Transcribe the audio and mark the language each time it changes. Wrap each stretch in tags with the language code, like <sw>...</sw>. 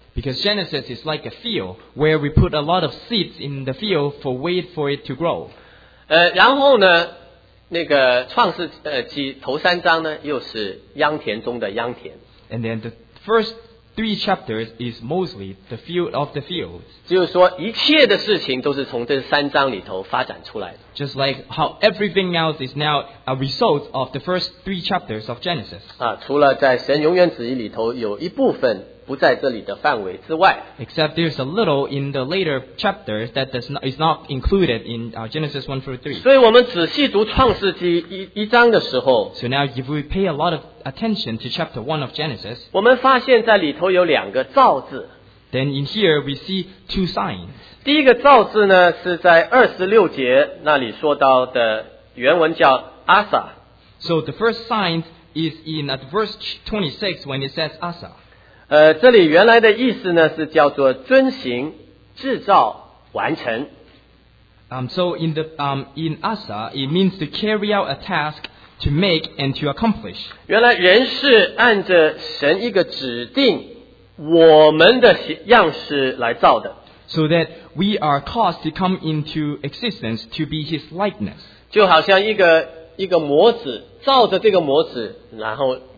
<en>Because Genesis is like a field where we put a lot of seeds in the field for wait for it to grow.</en> <zh>然后呢，那个创世纪头三章呢，又是秧田中的秧田。</zh> <en>And then the first three chapters is mostly the field of the fields.</en> <zh>就是说，一切的事情都是从这三章里头发展出来的。</zh> <en>Just like how everything else is now a result of the first three chapters of Genesis.</en> <zh>除了在神永远旨意里头有一部分不在这里的范围之外。</zh> <en>Except there's a little in the later chapters that is not included in Genesis 1 through 3.</en> <zh>所以我们仔细读创世纪一章的时候。</zh> <en>So now if we pay a lot of attention to chapter 1 of Genesis.</en> <zh>我们发现在里头有两个造字。</zh> <en>Then in here we see two signs.</en> <zh>第一个造字呢是在26节那里说到的，原文叫 Asa.</zh> <en>So the first sign is in verse 26 when it says Asa.</en> <zh>这里原来的意思呢是叫做遵行、制造、完成。</zh> <en>So in the in Asa it means to carry out a task to make and to accomplish.</en> <zh>原来人是按着神一个指定我们的样式来造的。</zh> <en>So that we are caused to come into existence to be his likeness.</en> <zh>就好像一个模子，照着这个模子，然后</zh>